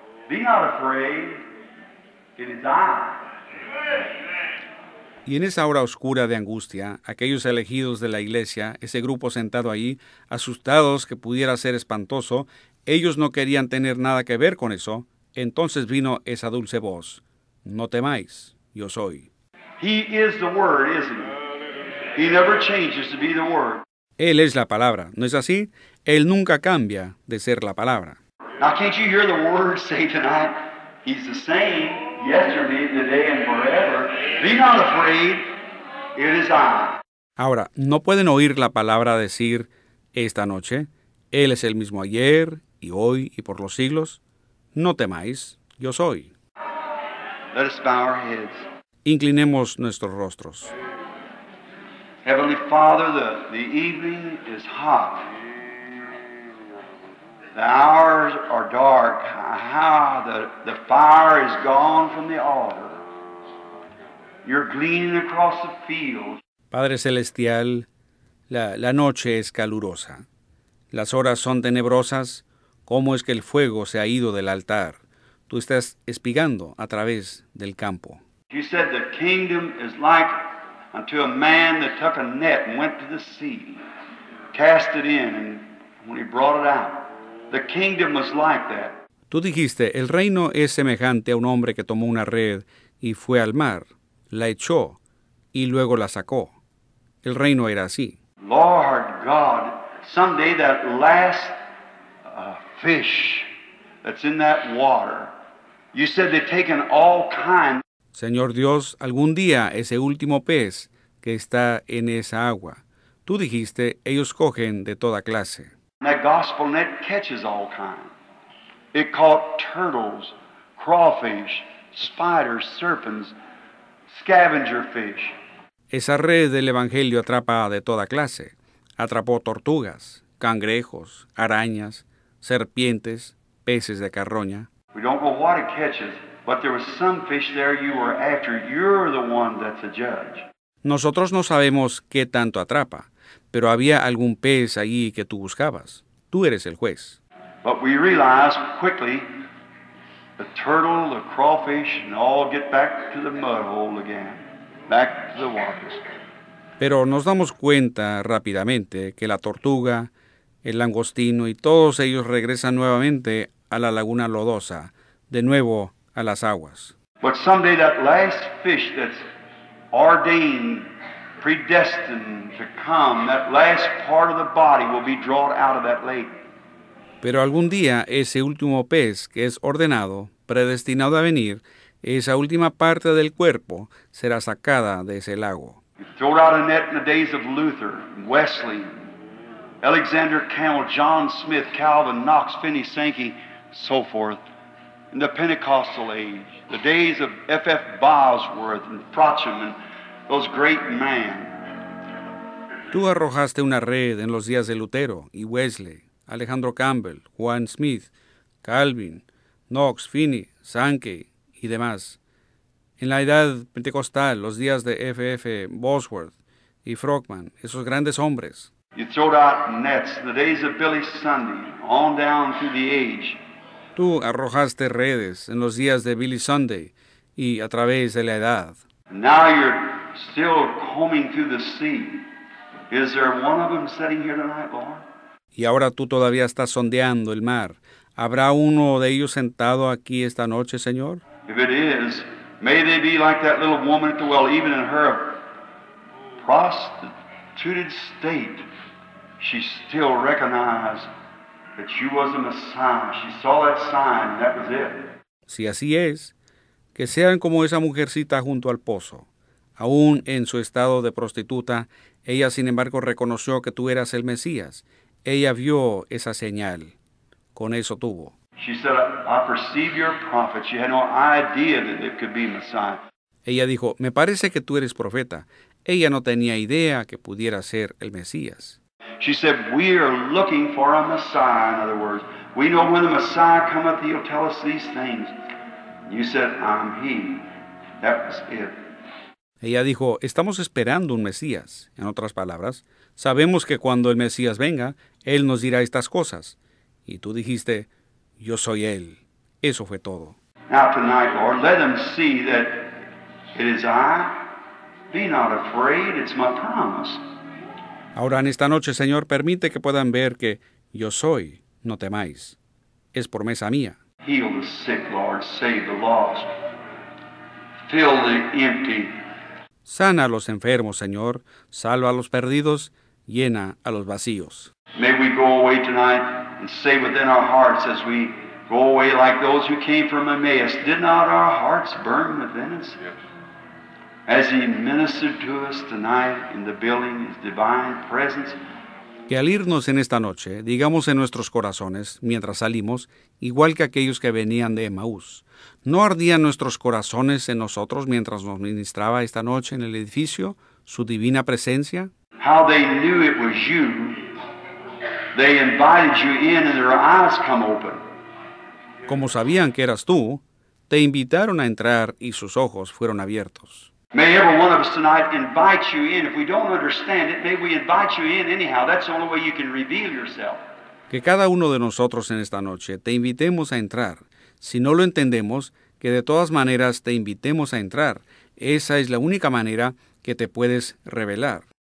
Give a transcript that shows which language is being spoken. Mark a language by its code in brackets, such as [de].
[en] Be not afraid. It is I. [es] Y en esa hora oscura de angustia, aquellos elegidos de la iglesia, ese grupo sentado ahí, asustados que pudiera ser espantoso, ellos no querían tener nada que ver con eso. Entonces vino esa dulce voz. No temáis. Yo soy. [en] He is the Word, isn't he? He never changes to be the Word. [es] Él es la palabra, ¿no es así? Él nunca cambia de ser la palabra. [en] Now, can't you hear the word say tonight? He's the same yesterday, today, and forever. Be not afraid. It is I. [es] Ahora, ¿no pueden oír la palabra decir esta noche? Él es el mismo ayer, y hoy, y por los siglos. No temáis, yo soy. [en] Let us bow our heads. [es] Inclinemos nuestros rostros. [en] Heavenly Father, the evening is hot. The hours are dark. Ah, the fire is gone from the altar. You're gleaning across the fields. [es] Padre Celestial, la noche es calurosa. Las horas son tenebrosas. ¿Cómo es que el fuego se ha ido del altar? Tú estás espigando a través del campo. [en] He said the kingdom is like unto a man that took a net and went to the sea, cast it in, and when he brought it out, the kingdom was like that. [es] Tú dijiste, el reino es semejante a un hombre que tomó una red y fue al mar, la echó y luego la sacó. El reino era así. [en] Lord God, someday that last fish that's in that water, you said they've taken all kinds. [es] Señor Dios, algún día ese último pez que está en esa agua, tú dijiste, ellos cogen de toda clase. [en] That gospel net catches all kinds. It caught turtles, crawfish, spiders, serpents, scavenger fish. [es] Esa red del Evangelio atrapa de toda clase. Atrapó tortugas, cangrejos, arañas, serpientes, peces de carroña. [en] We don't know what it catches, but there was some fish there you were after. You're the one that's a judge. [es] Nosotros no sabemos qué tanto atrapa, pero había algún pez allí que tú buscabas. Tú eres el juez. [en] But we realized quickly the turtle, the crawfish, and all get back to the mud hole again. Back to the waters. [es] Pero nos damos cuenta rápidamente que la tortuga, el langostino y todos ellos regresan nuevamente a la laguna lodosa, de nuevo a las aguas. [en] But someday that last fish that's ordained, predestined to come, that last part of the body will be drawn out of that lake. [es] Pero algún día ese último pez que es ordenado, predestinado a venir, esa última parte del cuerpo será sacada de ese lago. [en] You throw out a net in the days of Luther, Wesley, Alexander Campbell, John Smith, Calvin, Knox, Finney, Sankey, so forth. In the Pentecostal age, the days of F.F. Bosworth and Frotcham and those great men. [es] Tú arrojaste una red en los días de Lutero y Wesley, Alejandro Campbell, Juan Smith, Calvin, Knox, Finney, Sankey y demás. En la edad pentecostal, los días de F.F. Bosworth y Frohman, esos grandes hombres. [en] You throw out nets, the days of Billy Sunday, on down through the age. [es] Tú arrojaste redes en los días de Billy Sunday y a través de la edad. [en] Now you're still combing through the sea. Is there one of them sitting here tonight, Lord? [es] Y ahora tú todavía estás sondeando el mar. ¿Habrá uno de ellos sentado aquí esta noche, Señor? [en] If it is, may they be like that little woman at the well, even in her prostituted state, she still recognized that you was a Messiah. She saw that sign, that was it. [es] Si así es, que sean como esa mujercita junto al pozo. Aún en su estado de prostituta, ella sin embargo reconoció que tú eras el Mesías. Ella vio esa señal. Con eso tuvo. [en] She said, I perceive your prophet. She had no idea that it could be Messiah. [es] Ella dijo, me parece que tú eres profeta. Ella no tenía idea que pudiera ser el Mesías. [en] She said, we are looking for a Messiah, in other words. We know when the Messiah cometh, he'll tell us these things. You said, I'm he. That was it. [es] Ella dijo, estamos esperando un Mesías. En otras palabras, sabemos que cuando el Mesías venga, él nos dirá estas cosas. Y tú dijiste, yo soy él. Eso fue todo. [en] Now tonight, Lord, let them see that it is I. Be not afraid, it's my promise. [es] Ahora en esta noche, Señor, permite que puedan ver que yo soy, no temáis. Es promesa mía. [en] Heal the sick, Lord, save the lost. Fill the empty. [es] Sana a los enfermos, Señor. Salva a los perdidos. Llena a los vacíos. [en] May we go away tonight and say within our hearts as we go away like those who came from Emmaus, did not our hearts burn within us? As he ministered to us tonight in the building, his divine presence. [es] Que al irnos en esta noche, digamos en nuestros corazones, mientras salimos, igual que aquellos que venían de Emaús, ¿no ardían nuestros corazones en nosotros mientras nos ministraba esta noche en el edificio su divina presencia? [en] How they knew it was you. They invited you in and their eyes come open. [es] Como sabían que eras tú, te invitaron a entrar y sus ojos fueron abiertos. [en] May every one of us tonight invite you in. If we don't understand it, may we invite you in anyhow. That's the only way you can reveal yourself. [es] Que cada uno de nosotros en esta noche te invitemos a entrar. Si no lo entendemos, que de todas maneras te invitemos a entrar. Esa es la única manera que te puedes revelar.